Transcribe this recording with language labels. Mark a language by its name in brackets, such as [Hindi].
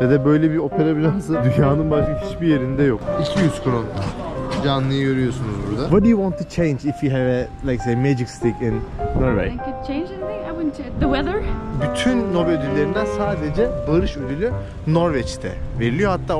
[Turkish] Ve de böyle bir opera binası dünyanın başka hiçbir yerinde yok. 200 kron. Canlıyı görüyorsunuz burada. [English] What do you want to change if you have a like say magic stick in Norway? I could change anything. I want to, the weather. [Turkish] Bütün Nobel ödüllerinden sadece barış ödülü Norveç'te veriliyor hatta.